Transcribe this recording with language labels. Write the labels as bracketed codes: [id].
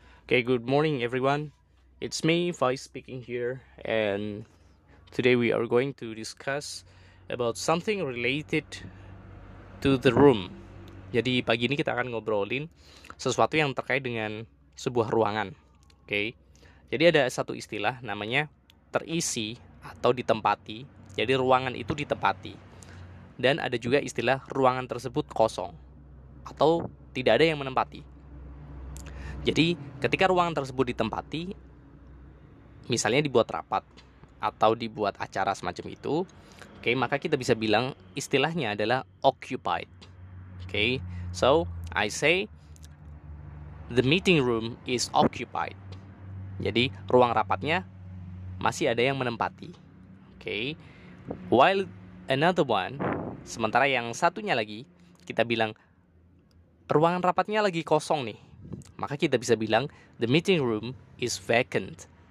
[en] Okay, good morning everyone. It's me, Vice, speaking here, and today we are going to discuss about something related to the room. [id] Jadi pagi ini kita akan ngobrolin sesuatu yang terkait dengan sebuah ruangan. Okay. Jadi ada satu istilah namanya terisi atau ditempati. Jadi ruangan itu ditempati. Dan ada juga istilah ruangan tersebut kosong atau tidak ada yang menempati. Jadi ketika ruangan tersebut ditempati, misalnya dibuat rapat atau dibuat acara semacam itu, okay, maka kita bisa bilang istilahnya adalah occupied. [en] Okay, so I say the meeting room is occupied. [id] Jadi ruang rapatnya masih ada yang menempati. [en] Okay, while another one, [id] sementara yang satunya lagi, kita bilang ruangan rapatnya lagi kosong nih. Maka kita bisa bilang [en] the meeting room is vacant.